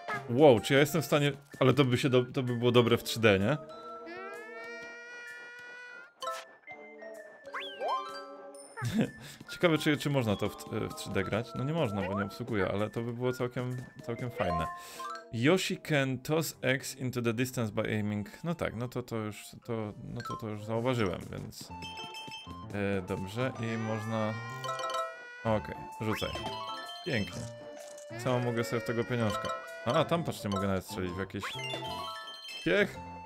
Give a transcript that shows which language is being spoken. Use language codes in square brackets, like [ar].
[pl] Wow, czy ja jestem w stanie... Ale to by się do... to by było dobre w 3D, nie? Ciekawe, czy można to w 3D grać? No nie można, bo nie obsługuję, ale to by było całkiem fajne. [en] Yoshi can toss eggs into the distance by aiming... [pl] No tak, no to już zauważyłem, więc... dobrze, i można... Okej, rzucaj. Pięknie. Co mogę sobie w tego pieniążka? A, tam patrzcie, mogę nawet strzelić w jakiś... Piech!